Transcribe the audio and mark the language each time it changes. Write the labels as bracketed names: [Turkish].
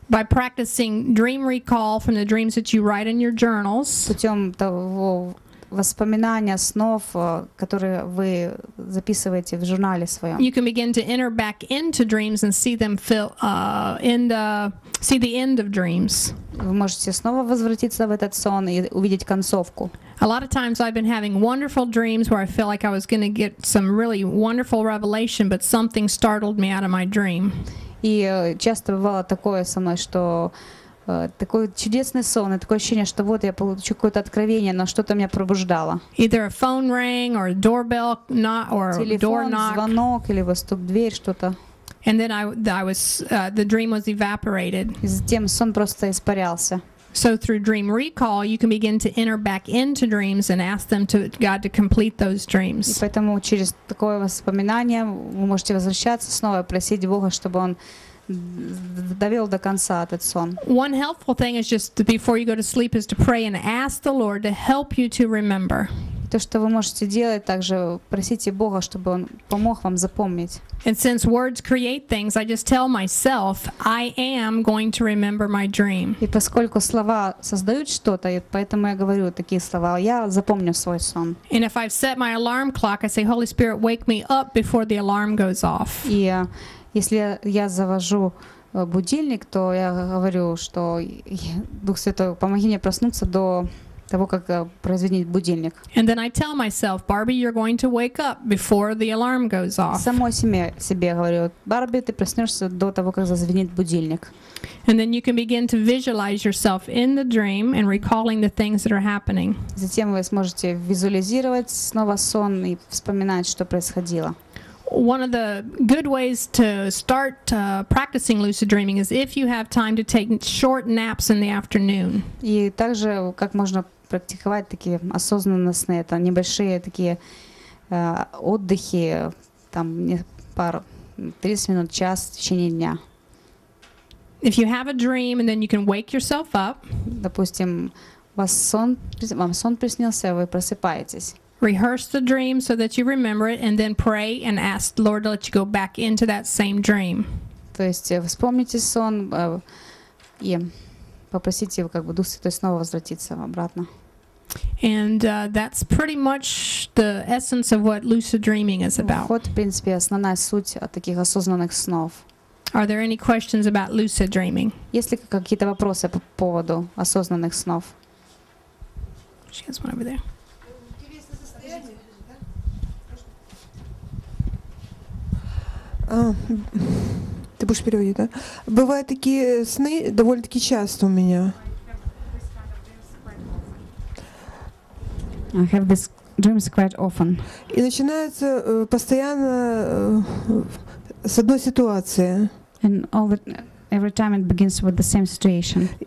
[English] By practicing dream recall from the dreams that you write in your journals. [Russian] Путем того воспоминания снов, которые вы записываете в журнале своем. [English] You can begin to enter back into dreams and see them fill in the see the end of dreams. [Russian] Вы можете снова возвратиться в этот сон и увидеть концовку. [English] A lot of times I've been having wonderful dreams where I feel like I was going to get some really wonderful revelation, but something startled me out of my dream. [Russian] И часто бывало такое со мной, что такой чудесный сон, и такое ощущение, что вот я получу какое-то откровение, но что-то меня пробуждало. [English] Either a phone rang or a doorbell knock or [Russian] телефон, [English] door knock. [Russian] Звонок или стук в дверь что-то. [English] And then the dream was evaporated. [Russian] И затем сон просто испарялся. [English] So through dream recall, you can begin to enter back into dreams and ask them to God to complete those dreams. [Russian] И поэтому через такое воспоминание вы можете возвращаться снова и просить Бога, чтобы он довел до конца этот сон. [English] One helpful thing is just before you go to sleep is to pray and ask the Lord to help you to remember. [Russian] То, что вы можете делать, также просите Бога, чтобы он помог вам запомнить. [English] And since words create things, I just tell myself, I am going to remember my dream. [Russian] И поскольку слова создают что-то, поэтому я говорю такие слова, я запомню свой сон. [English] And if I've set my alarm clock, I say, Holy Spirit, wake me up before the alarm goes off. [Russian] Если я завожу будильник, то я говорю, что Дух Святой, помоги мне проснуться до того, как прозвенит будильник. [English] And then I tell myself, Barbie, you're going to wake up before the alarm goes off. [Russian] Самой себе говорю, Барби, ты проснешься до того, как зазвенит будильник. [English] And then you can begin to visualize yourself in the dream and recalling the things that are happening. [Russian] Затем вы сможете визуализировать снова сон и вспоминать, что происходило. [English] One of the good ways to start practicing lucid dreaming is if you have time to take short naps in the afternoon. [Russian] И также как можно практиковать такие осознанные сны, это небольшие такие отдыхи, там не пару 30 минут, час в течение дня. [English] If you have a dream and then you can wake yourself up. [Russian] Допустим, вам сон приснился, вы просыпаетесь. [English] Rehearse the dream so that you remember it and then pray and ask the Lord to let you go back into that same dream. [Russian] То есть вспомните сон и попросите его, как бы Дух Святой снова возвратиться обратно. [English] And that's pretty much the essence of what lucid dreaming is about. [Russian] Вот, в принципе, основная суть от таких осознанных снов. [English] Are there any questions about lucid dreaming? [Russian] Есть ли какие-то вопросы по поводу осознанных снов? [English] She has one over there. [Russian] Ты будешь переводить, да? Бывают такие сны довольно-таки часто у меня. [English] I have these dreams quite often. [Russian] И начинается постоянно с одной ситуации. [English] And all the, every time it begins with the same situation.